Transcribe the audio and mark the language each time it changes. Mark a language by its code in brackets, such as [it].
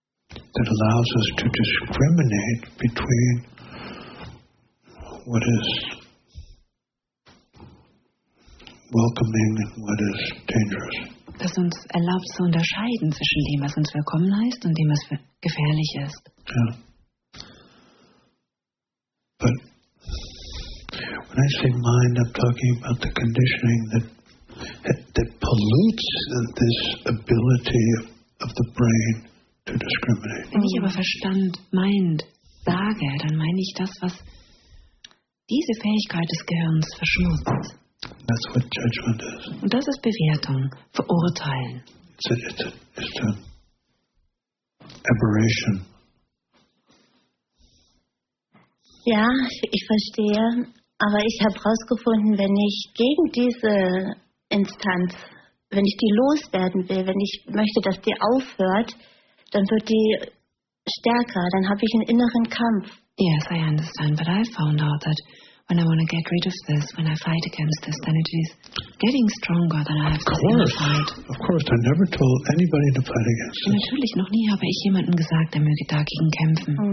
[en] That allows us to discriminate between what is welcoming and what is dangerous. [de] Das uns erlaubt zu unterscheiden zwischen dem, was uns willkommen heißt und dem, was gefährlich ist. [en] Yeah. But when I say mind, I'm talking about the conditioning that pollutes this ability of the brain to discriminate. [de] Wenn ich aber Verstand, Mind sage, dann meine ich das, was diese Fähigkeit des Gehirns verschmutzt. [en] That's what judgment is. [de] Und das ist Bewertung, Verurteilen. [en] It's an aberration. [de] Ja, ich verstehe. Aber ich habe herausgefunden, wenn ich gegen diese Instanz, wenn ich die loswerden will, wenn ich möchte, dass die aufhört, dann wird die stärker. Dann habe ich einen inneren Kampf. [en] Yes, I understand. But I found out that when I want to get rid of this, when I fight against this, then it is getting stronger than I have to fight. Of course, I never told anybody to fight against this. [de] Natürlich, noch nie habe ich jemandem gesagt, er möge dagegen kämpfen.